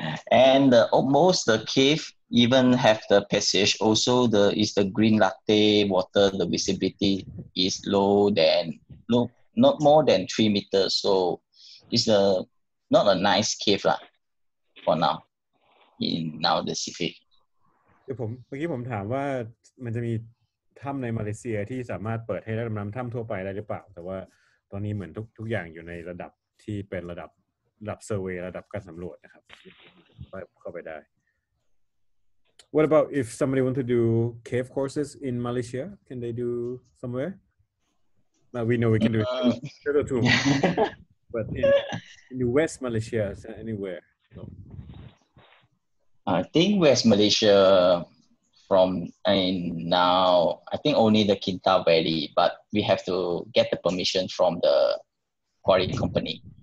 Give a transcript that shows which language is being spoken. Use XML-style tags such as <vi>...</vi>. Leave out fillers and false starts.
<en>And almost the cave even have the passage. Also, is the green latte water, the visibility is not more than 3 meters. So it's not a nice cave for now, in now the city.</en> <th>เดี๋ยวผมเมื่อกี้ผมถามว่ามันจะมีถ้ำในมาเลเซียที่สามารถเปิดให้ได้ดำน้ำถ้ำทั่วไปได้หรือเปล่าแต่ว่าตอนนี้เหมือนทุกอย่างอยู่ในระดับที่เป็นระดับเซอร์เวย์ระดับการสำรวจนะครับไปเข้าไปได้</th> <en>What about if somebody want to do cave courses in Malaysia? Can they do somewhere? Well, we know we can do it too, but in the West Malaysia, anywhere? No. I think West Malaysia from now, I think only the Kinta Valley, but we have to get the permission from the quarry company.</en>